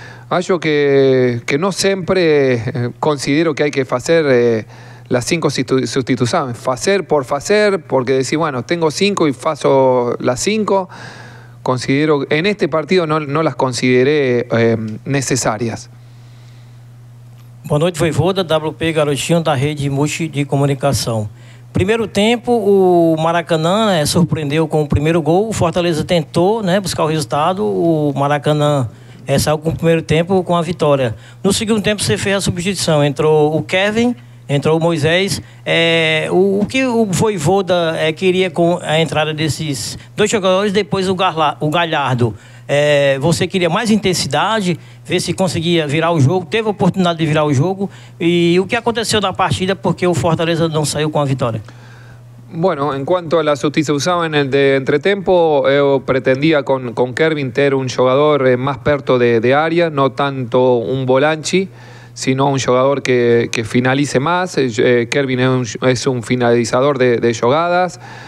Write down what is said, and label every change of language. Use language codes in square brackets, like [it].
[es] Algo que no siempre considero que hay que hacer las cinco sustituciones. Hacer por hacer, porque decir, bueno, tengo cinco y paso las cinco. Considero, en este partido no las consideré necesarias. [pt] Boa noite, Voivoda, WP Garotinho da Rede Multi de Comunicação. Primeiro tempo, o Maracanã, né, surpreendeu com o primeiro gol. O Fortaleza tentou, né, buscar o resultado. O Maracanã saiu com o primeiro tempo com a vitória. No segundo tempo, você fez a substituição. Entrou o Kevin, entrou o Moisés. O que o Voivoda queria com a entrada desses dois jogadores, depois o Galhardo? Você queria mais intensidade, ver se conseguia virar o jogo, teve a oportunidade de virar o jogo, e o que aconteceu na partida, porque o Fortaleza não saiu com a vitória? [es] Bueno, en cuanto a la sustitución en el de entretempo, yo pretendía con Kevin ter un jugador más [pt] perto de área, [es] no tanto un volante, sino un jugador que finalice más. Kevin es un finalizador de jugadas.